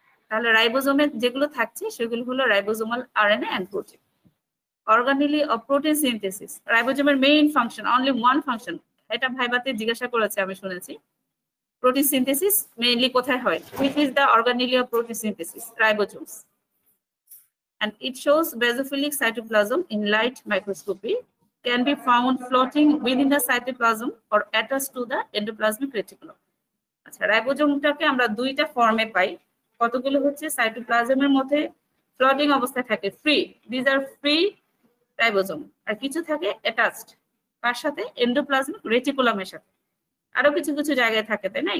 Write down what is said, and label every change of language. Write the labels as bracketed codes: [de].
[bn] তাহলে রাইবোজোমে যেগুলো থাকছে সেগুলো হলো ribosomal RNA and protein. Organelle of protein synthesis, রাইবোজোমের main function, only one function, এটা ভাইবাতে জিজ্ঞাসা করেছে আমি শুনেছি। প্রোটিন সিনথেসিস মেইনলি কোথায় হয়? [en] Which is the organelle of protein synthesis? [bn] রাইবোজোমস। [en] And it shows basophilic cytoplasm in light microscopy, can be found floating within the cytoplasm or attached to the endoplasmic reticulum. [bn] আচ্ছা, রাইবোজোমটাকে আমরা দুইটা ফর্মে পাই, কতগুলো হচ্ছে? সাইটোপ্লাজমের মধ্যে floating অবস্থায় থাকে, free, [en] these are free ribosome, [bn] আর কিছু থাকে অ্যাটাচড তার সাথে, এন্ডোপ্লাজমিক রেটিকুলামের সাথে, আরো কিছু কিছু জায়গায় থাকে, তাই না?